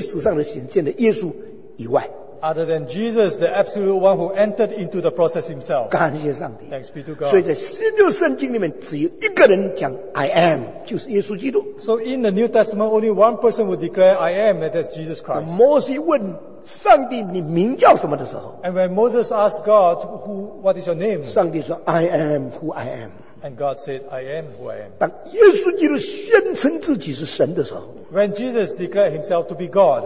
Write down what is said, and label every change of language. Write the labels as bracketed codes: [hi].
[zh] 除了上帝亲自进入过程，道成肉身在历史上的显现的耶稣以外。 [en] Other than Jesus, the absolute one who entered into the process himself. [zh] 感谢上帝。 [en] Thanks be to God. [zh] 所以在新旧圣经里面只有一个人讲 [en] I am, [zh] 就是耶稣基督。 [en] So in the New Testament, only one person would declare I am, and that's Jesus Christ. [zh] 摩西问, 上帝你名叫什么的时候, [en] and when Moses asked God, who, what is your name? [zh] 上帝说, [en] I am who I am. And God said, I am who I am. [zh] 当耶稣基督宣称自己是神的时候, [en] when Jesus declared himself to be God,